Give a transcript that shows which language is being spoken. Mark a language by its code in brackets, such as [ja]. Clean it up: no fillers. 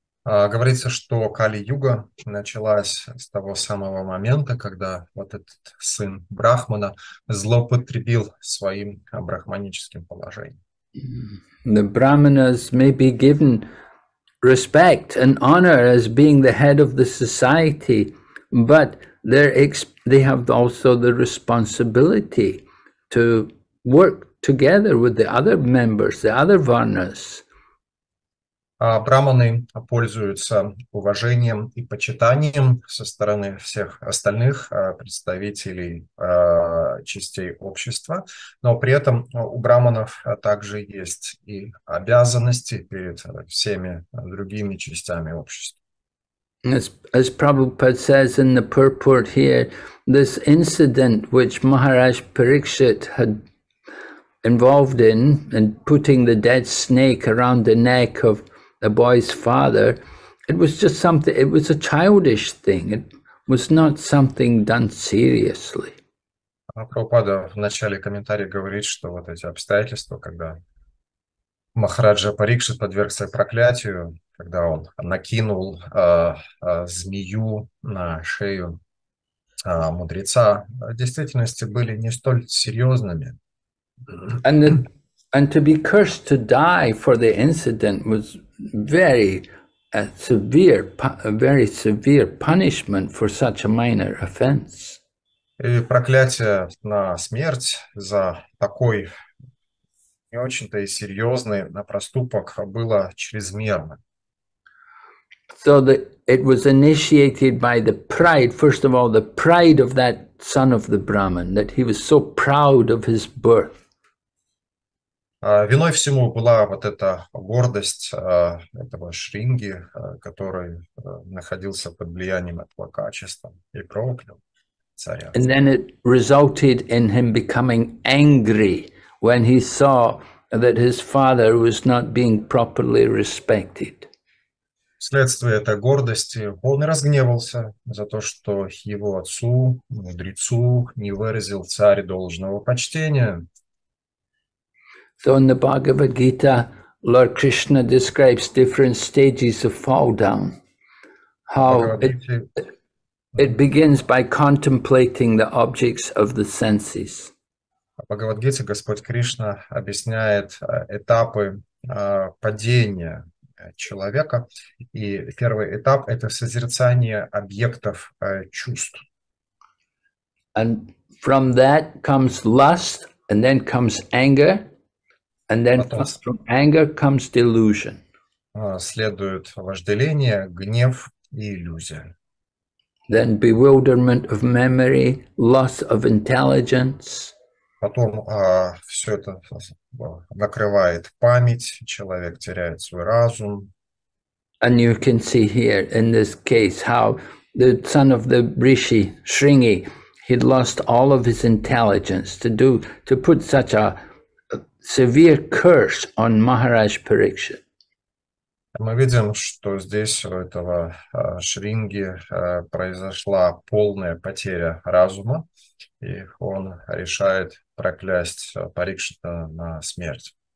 [ru] Говорится, что Кали-юга началась с того самого момента, когда вот этот сын брахмана злоупотребил своим брахманическим положением. [en] The brahmanas may be given respect and honor as being the head of the society, but they have also the responsibility to work together with the other members, the other varnas. [ru] Брахманы пользуются уважением и почитанием со стороны всех остальных представителей частей общества, но при этом у брахманов также есть и обязанности перед всеми другими частями общества. [en] As Prabhupada says in the purport here, this incident which Maharaj Parikshit had involved in putting the dead snake around the neck of the boy's father, it was just something, it was a childish thing, it was not something done seriously. [ru] Прабхупада в начале комментария говорит, что вот эти обстоятельства, когда Махараджа Парикшит подвергся проклятию, когда он накинул змею на шею мудреца, в действительности были не столь серьезными. [en] And to be cursed to die for the incident was very severe punishment for such a minor offense. [ru] И проклятие на смерть за такой не очень-то и серьезный на проступок было чрезмерно. [en] So it was initiated by the pride, first of all, the pride of that son of the Brahmin, that he was so proud of his birth. [ru] Виной всему была вот эта гордость этого Шринги, который находился под влиянием этого качества и проклял царя. [en] And then it resulted in him becoming angry when he saw that his father was not being properly respected. [ru] Вследствие этой гордости он разгневался за то, что его отцу, мудрецу, не выразил царь должного почтения. [en] So in the Bhagavad Gita, Lord Krishna describes different stages of fall down. How it begins by contemplating the objects of the senses. [ru] В Бхагавад Гите Господь Кришна объясняет этапы падения человека. И первый этап – это созерцание объектов чувств. [en] And from that comes lust, and then comes anger, and then from anger comes delusion. [ru] Следует вожделение, гнев и иллюзия. [en] Then bewilderment of memory, loss of intelligence. [ru] Потом все это накрывает память, человек теряет свой разум. [en] And you can see here in this case how the son of the Rishi, Шринги, he'd lost all of his intelligence to put such a severe curse on Maharaj Parikshit. [ru] Мы видим, что здесь у этого Шринги произошла полная потеря разума, и он решает проклясть Парикшита на смерть.